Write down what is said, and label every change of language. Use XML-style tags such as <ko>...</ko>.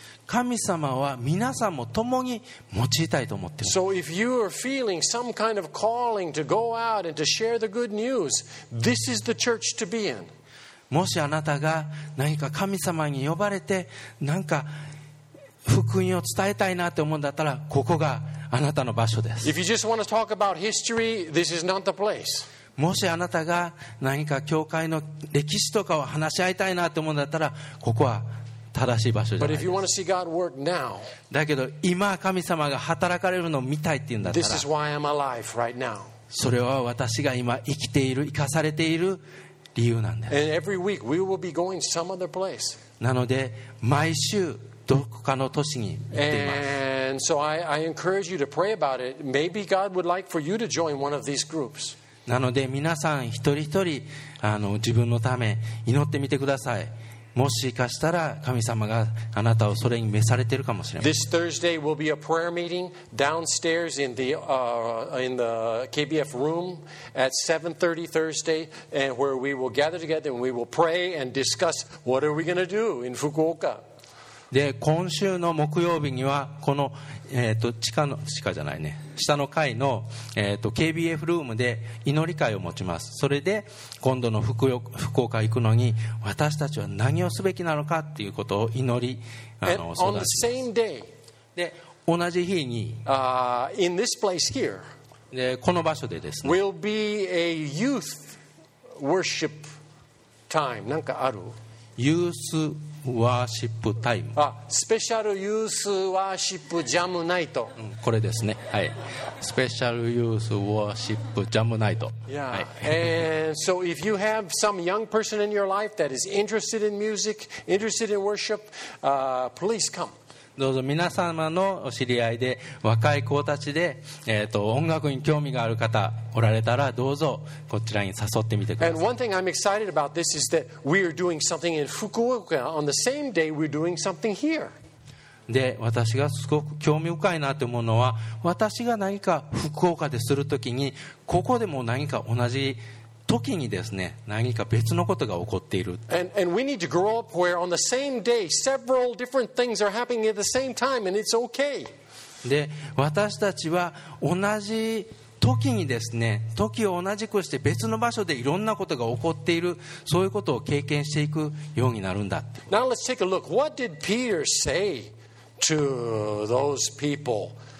<ja>神様は皆さんも共に用いたいと思っています</ja> <en>So if you are feeling some kind of calling to go out and to share the good news, this is the church to be in.</en> <ja>もしあなたが何か神様に呼ばれて何か福音を伝えたいなと思うんだったらここがあなたの場所です。</ja> <en>If you just want to talk about history, this is not the place.</en> <ja>もしあなたが何か教会の歴史とかを話し合いたいなと思うんだったらここは正しい場所じゃないです。</ja> <en>But if you want to see God work now,</en> <ja>だけど今神様が働かれるのを見たいって言うんだったら</ja> <en>This is why I'm alive right now.</en> <ja>それは私が今生きている生かされている理由なんです。</ja> <en>And every week we will be going some other place.</en> <ja>なので毎週どこかの都市に行っています。</ja> <en>And so I encourage you to pray about it. Maybe God would like for you to join one of these groups.</en> <ja>なので皆さん一人一人自分のため祈ってみてください。もしかしたら神様があなたをそれに召されているかもしれません。</ja> <en>This Thursday will be a prayer meeting downstairs in the KBF room at 7:30 Thursday, and where we will gather together and we will pray and discuss what are we going to do in Fukuoka.</en> <ja>で、今週の木曜日にはこの地下じゃないね、下の階の、KBF ルームで祈り会を持ちます。それで今度の福岡行くのに私たちは何をすべきなのかということを祈り相談します。day, で同じ日に、</ja> <en>in this place here,</en> <ja>でこの場所でですね</ja> <en>will be a youth worship time.</en> <ja>なんかある？ユースワーシップタイム、スペシャルユースワーシップジャムナイト、これですね、はい、スペシャルユースワーシップジャムナイト、</ja> <en>yeah.</en> <ja>はい、</ja> <en>and so if you have some young person in your life that is interested in music, interested in worship, please come.</en> <ja>どうぞ皆様のお知り合いで若い子たちで、音楽に興味がある方おられたらどうぞこちらに誘ってみてください。</ja> <en>And one thing I'm excited about this is that we are doing something in Fukuoka on the same day we're doing something here.</en> <ja>で私がすごく興味深いなと思うのは私が何か福岡でするときにここでも何か同じ時にですね何か別のことが起こっている。</ja> <en>and we need to grow up where on the same day several different things are happening at the same time and it's okay.</en> <ja>で私たちは同じ時にですね時を同じくして別の場所でいろんなことが起こっている、そういうことを経験していくようになるんだって。</ja> <en>Now let's take a look. What did Peter say to those people?</en>